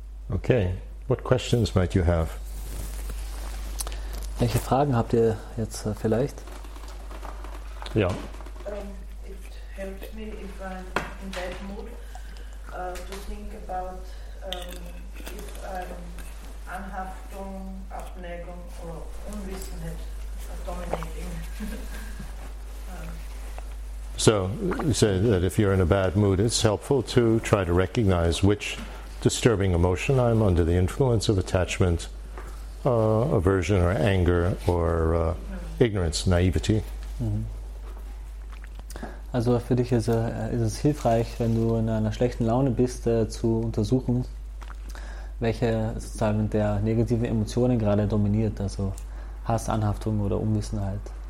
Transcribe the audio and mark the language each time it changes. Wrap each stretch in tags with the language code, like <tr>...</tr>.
<en>Okay, what questions might you have?</en> <de>Welche Fragen habt ihr jetzt vielleicht? Ja.</de> <en>It helps me if I'm in that mood to think about if I'm</en> <de>Anhaftung, Abneigung</de> <en>or</en> <de>Unwissenheit</de> <en>dominating. So, you say that if you're in a bad mood, it's helpful to try to recognize which disturbing emotion I'm under the influence of attachment, aversion or anger or ignorance, naivety.</en> <de>Also für dich ist es hilfreich, wenn du in einer schlechten Laune bist, zu untersuchen, welche sozusagen der negativen Emotionen gerade dominiert, also Hass, Anhaftung oder Unwissenheit.</de>